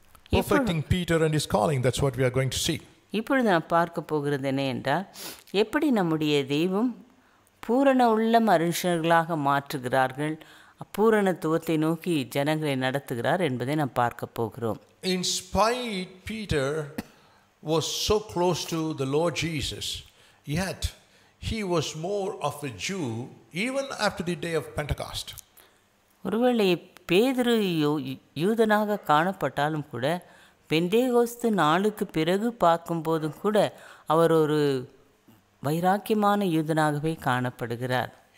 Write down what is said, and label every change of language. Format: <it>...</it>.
<en>perfecting Peter and his calling. That's what we are going to see.</en> <ta>இப்பொழுது நாம் பார்க்க போகிறது என்ன என்றால், எப்படி நம்முடைய தெய்வம் பூரண உள்ள மனுஷர்களாக மாற்றுகிறார்கள், அப்பூரணத்துவத்தை நோக்கி ஜனங்களை நடத்துகிறார் என்பதை நாம் பார்க்க போகிறோம்.</ta> <en>In spite Peter was so close to the Lord Jesus, yet he was more of a Jew even after the day of Pentecost.</en> <ta>ஒருவேளை பேதுரு யூதனாக காணப்பட்டாலும் கூட, பெந்தேகோஸ்து நாளுக்கு பிறகு பார்க்கும்போதும் கூட அவர் ஒரு வைராக்கியமான யூதனாகவே காணப்படுகிறார்.</ta>